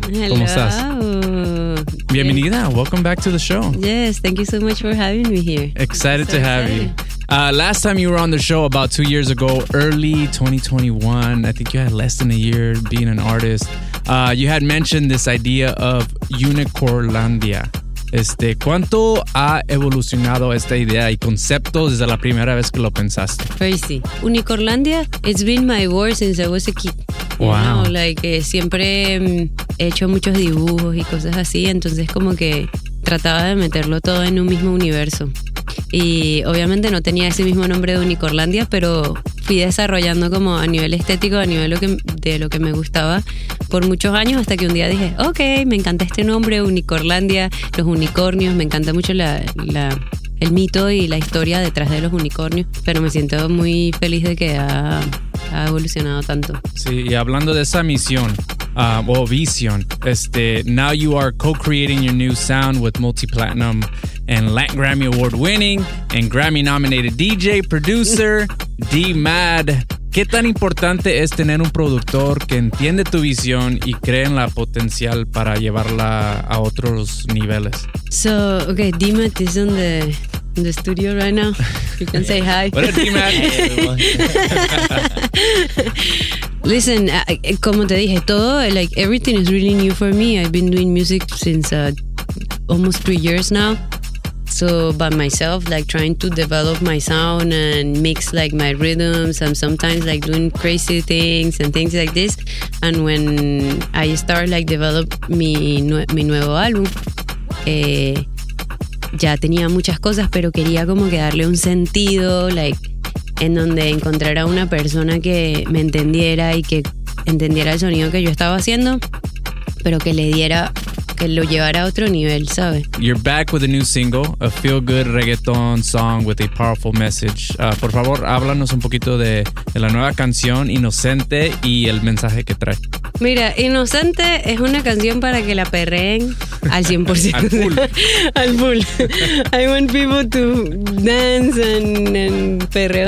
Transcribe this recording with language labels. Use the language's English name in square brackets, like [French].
[English] Hello. [Spanish] ¿Cómo estás? Bienvenida. [English] Yes. Welcome back to the show. Yes, thank you so much for having me here. Excited to have you. Last time you were on the show about 2 years ago, early 2021, I think you had less than a year being an artist. You had mentioned this idea of Unicorlandia. [Spanish] ¿Cuánto ha evolucionado esta idea y concepto desde la primera vez que lo pensaste? [English] Crazy. Unicorlandia, it's been my world since I was a kid. Wow. You know, like, [Spanish] siempre he hecho muchos dibujos y cosas así, entonces como que trataba de meterlo todo en un mismo universo. Y obviamente no tenía ese mismo nombre de Unicorlandia, pero fui desarrollando como a nivel estético, a nivel de lo que me gustaba por muchos años, hasta que un día dije, ok, me encanta este nombre, Unicorlandia, los unicornios, me encanta mucho el mito y la historia detrás de los unicornios, pero me siento muy feliz de que ha evolucionado tanto. Sí, y hablando de esa misión, o visión, [English] now you are co-creating your new sound with multi-platinum and Latin Grammy Award winning and Grammy nominated DJ, producer, D-Mad. [Spanish] ¿Qué tan importante es tener un productor que entiende tu visión y cree en la potencial para llevarla a otros niveles? [English] So, okay, D-Mad is on the studio right now. You can say hi. What up, D-Mad? Listen, [Spanish] como te dije, todo, [English] like, everything is really new for me. I've been doing music since almost 3 years now. So by myself, like trying to develop my sound and mix like my rhythms and sometimes like doing crazy things and things like this. And when I start like develop [Spanish] mi nuevo álbum, ya tenía muchas cosas, pero quería como que darle un sentido, [English] like [Spanish] en donde encontrara una persona que me entendiera y que entendiera el sonido que yo estaba haciendo, pero que le diera, que lo llevara a otro nivel, ¿sabe? [English] You're back with a new single, a feel-good reggaeton song with a powerful message. [Spanish] Por favor, háblanos un poquito de la nueva canción, Inocente, y el mensaje que trae. Mira, Inocente es una canción para que la perreen al 100%. Al full. [English] Al full. I want people to dance and perreo